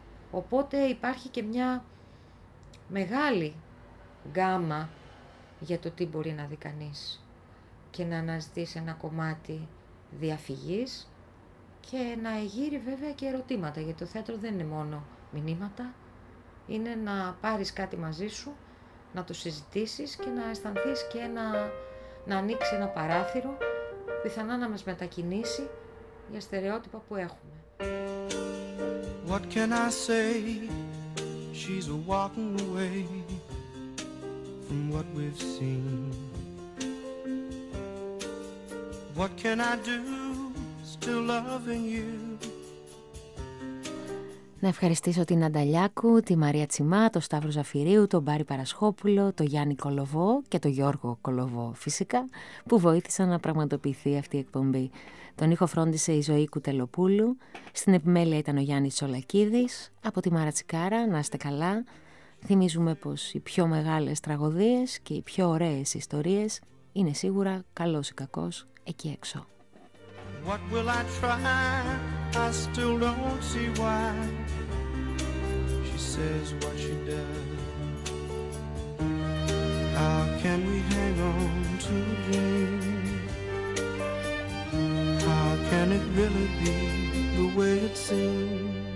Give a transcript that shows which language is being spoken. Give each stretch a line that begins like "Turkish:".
Greek: Οπότε υπάρχει και μια μεγάλη γκάμα για το τι μπορεί να δει κανείς και να αναζητήσει ένα κομμάτι διαφυγής και να εγείρει βέβαια και ερωτήματα, γιατί το θέατρο δεν είναι μόνο μηνύματα, είναι να πάρεις κάτι μαζί σου, να το συζητήσεις και να αισθανθείς και να ανοίξει ένα παράθυρο, πιθανά να μας μετακινήσει για στερεότυπα που έχουμε.
English: What can I say? She's a walking away from what we've seen. What can I do? Still loving you.
Greek: Να ευχαριστήσω την Ανταλιάκου, τη Μαρία Τσιμά, τον Σταύρο Ζαφυρίου, τον Μπάρη Παρασχόπουλο, τον Γιάννη Κολοβό και τον Γιώργο Κολοβό φυσικά, που βοήθησαν να πραγματοποιηθεί αυτή η εκπομπή. Τον ήχο φρόντισε η Ζωή Κουτελοπούλου, στην επιμέλεια ήταν ο Γιάννης Τσολακίδης. Από τη Μάρα Τσικάρα, να είστε καλά. Θυμίζουμε πως οι πιο μεγάλες τραγωδίες και οι πιο ωραίες ιστορίες είναι σίγουρα καλός ή κακός εκεί έξω.
English: What will I try? I still don't see why she says what she does. How can we hang on to a dream? How can it really be the way it seems?